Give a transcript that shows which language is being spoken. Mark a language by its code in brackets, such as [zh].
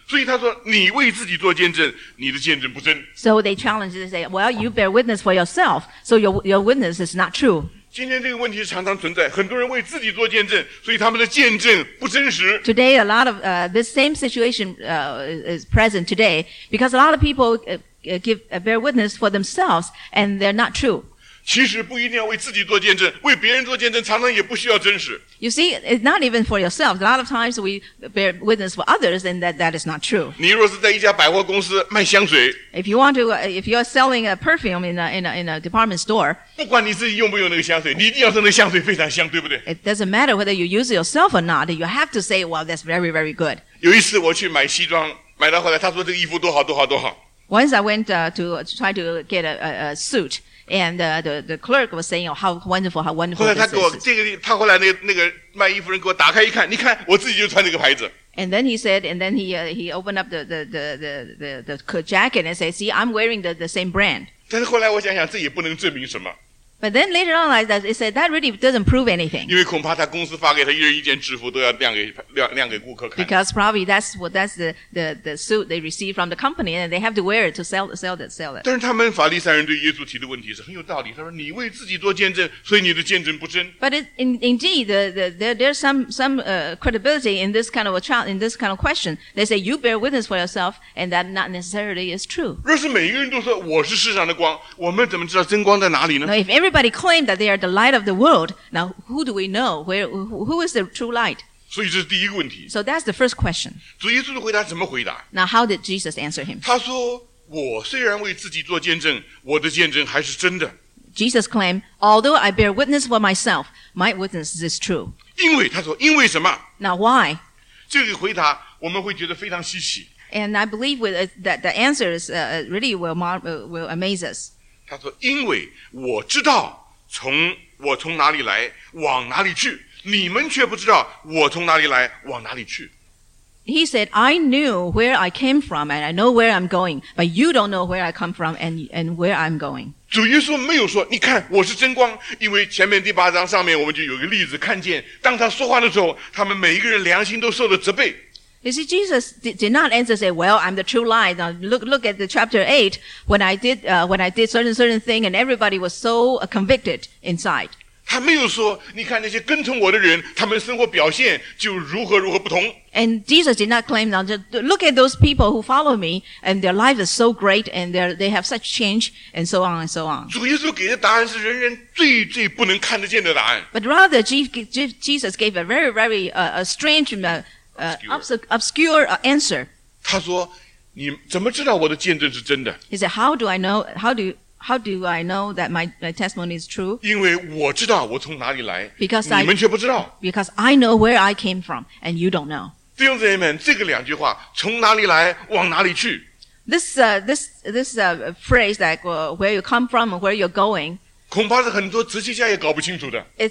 [zh] 所以他说,你为自己做见证,你的见证不真。 [en] So they challenge, they say, well, you bear witness for yourself, so your witness is not true. [zh] 今天这个问题常常存在，很多人为自己做见证，所以他们的见证不真实。 [en] Today, a lot of this same situation is present today because a lot of people bear witness for themselves and they're not true. [zh] 其实不一定要为自己做见证，为别人做见证常常也不需要真实。 [en] You see, it's not even for yourself. A lot of times we bear witness for others and that is not true. [zh] 你若是在一家百货公司卖香水。 [en] If you want to, if you're selling a perfume in a department store. [zh] 不管你自己用不用那个香水你一定要说那个香水非常香对不对 [en] It doesn't matter whether you use it yourself or not. You have to say, well, that's very, very good. [zh] 有一次我去买西装买到后来他说这个衣服多好多好多好。 [en] Once I went to try to get a suit. And the clerk was saying, oh, how wonderful this is. [zh] 后来他给我这个，他后来那个卖衣服人给我打开一看，你看我自己就穿这个牌子。 [en] And then he said, and then he opened up the jacket and said, see, I'm wearing the same brand. [zh] 但是后来我想想，这也不能证明什么。 [en] But then later on, like that, it said that really doesn't prove anything. [zh] 因为恐怕他公司发给他一人一件制服都要亮给顾客看。 [en] Because probably that's the suit they receive from the company, and they have to wear it to sell it. [zh] 但是他们法利赛人对耶稣提的问题是很有道理。他说：“你为自己做见证，所以你的见证不真。” [en] But indeed, there's some credibility in this kind of a trial, in this kind of question. They say you bear witness for yourself, and that not necessarily is true. [zh] 若是每一个人都说我是世上的光，我们怎么知道真光在哪里呢？ [en] Everybody claimed that they are the light of the world. Now, who do we know? Who is the true light? [zh] 所以这是第一个问题。 [en] So that's the first question. [zh] 主耶稣的回答怎么回答？ [en] Now, how did Jesus answer him? [zh] 他说，我虽然为自己做见证，我的见证还是真的。 [en] Jesus claimed, although I bear witness for myself, my witness is true. [zh] 因为，他说，因为什么？ [en] Now, why? [zh] 这个回答我们会觉得非常稀奇。 [en] And I believe that the answer is really will amaze us. [zh] 他说：“因为我知道从我从哪里来，往哪里去，你们却不知道我从哪里来，往哪里去。” [en] He said, "I knew where I came from, and I know where I'm going, but you don't know where I come from and where I'm going." [zh] 主耶稣没有说：“你看，我是真光。” 因为前面第八章上面我们就有一个例子，看见当他说话的时候，他们每一个人良心都受了责备。 [en] You see, Jesus did not answer, say, well, I'm the true light. Now, look at the chapter 8, when I did certain thing, and everybody was so convicted inside. [zh] 他没有说，你看那些跟从我的人，他们生活表现就如何如何不同。 [en] And Jesus did not claim, now, look at those people who follow me, and their life is so great, and they have such change, and so on and so on. [zh] 主耶稣给的答案是人人最最不能看得见的答案。 [en] But rather, Jesus gave a very, very, obscure answer. [zh] 他说，你怎么知道我的见证是真的？ [en] He said, how do I know that my testimony is true? [zh] 因为我知道我从哪里来， [en] because 你们却不知道。 Because I know where I came from, and you don't know. [zh] 弟兄姊妹们，这个两句话，从哪里来，往哪里去？ [en] This phrase, like where you come from and where you're going, [zh] 恐怕是很多哲学家也搞不清楚的。